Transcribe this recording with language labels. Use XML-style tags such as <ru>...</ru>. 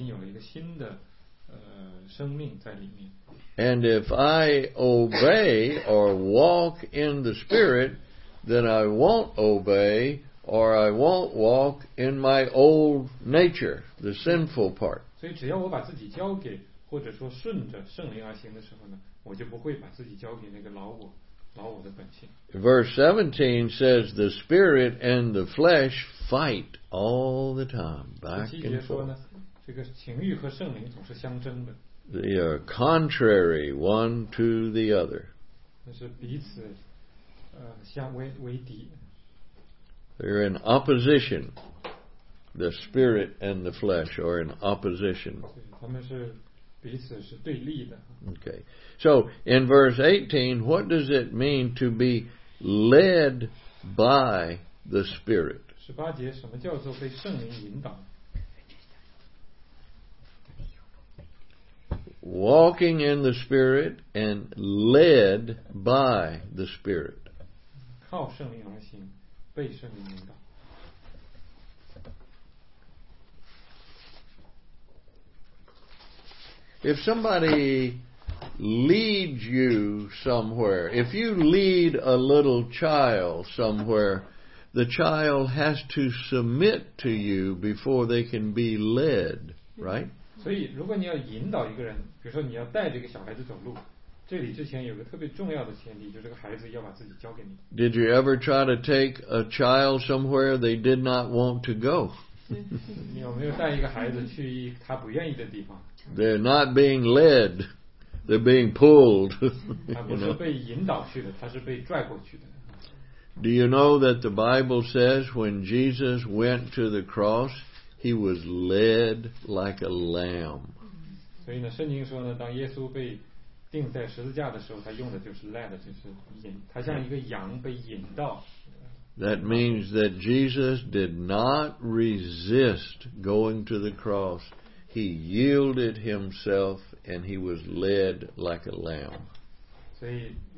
<zh>所以当我成为基督徒的时候呢，我的老我还没有离开，但是我已经有了一个新的生命在里面。</zh> <en>And if I obey or walk in the Spirit, then I won't obey or I won't walk in my old nature, the sinful part.</en> <zh>所以只要我把自己交给，或者说顺着圣灵而行的时候呢，我就不会把自己交给那个老我的本性。</zh> <en>Verse 17 says the spirit and the flesh fight all the time, back and forth.</en> <zh>这个情欲和圣灵总是相争的。</zh> <en>They are contrary one to the other.</en> <zh>那是彼此相为敌。</zh> <en>They're in opposition. The spirit and the flesh are in opposition.</en> <zh>他们是彼此是对立的。</zh> <en>Okay. So, in verse 18, what does it mean to be led by the Spirit?</en> <zh>18节什么叫做被圣灵引导？</zh> <en>Walking in the Spirit and led by the Spirit.</en> <zh>靠圣灵而行。</zh> <en>If somebody leads you somewhere, if you lead a little child somewhere, the child has to submit to you before they can be led, right?</en> <zh>所以如果你要引导一个人，比如说你要带这个小孩子走路。这里之前有个特别重要的前提，就是这个孩子要把自己交给你。</zh> <en>Did you ever try to take a child somewhere they did not want to go?</en> <zh>你有没有带一个孩子去他不愿意的地方？</zh> <en>They're not being led, they're being pulled.</en> <zh>他不是被引导去的，他是被拽过去的。</zh> <en>Do you know that the Bible says when Jesus went to the cross, he was led like a lamb?</en> <zh>所以呢，圣经说呢，当耶稣被 定在十字架的时候，他用的就是led，就是引，他像一个羊被引到。</zh> <en>That means that Jesus did not resist going to the cross. He yielded himself and he was led like a lamb.</en>